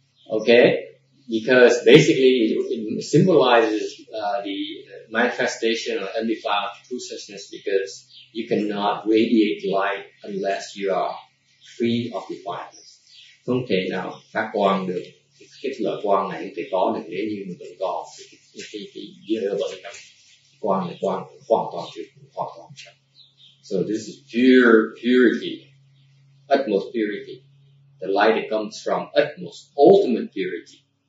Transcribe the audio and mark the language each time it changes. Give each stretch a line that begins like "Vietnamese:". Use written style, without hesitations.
English: Okay, because basically it symbolizes the manifestation of undefiled true suchness, because you cannot radiate light unless you are free of defilements.
Vietnamese: Không thể nào phát quang được. Cái loại quang này thì có được nếu như mình vẫn còn cái dơ vẫn còn quang này quang hoàn toàn tuyệt hoàn toàn trắng.
English: So this is pure purity, utmost purity, the light that comes from utmost ultimate purity.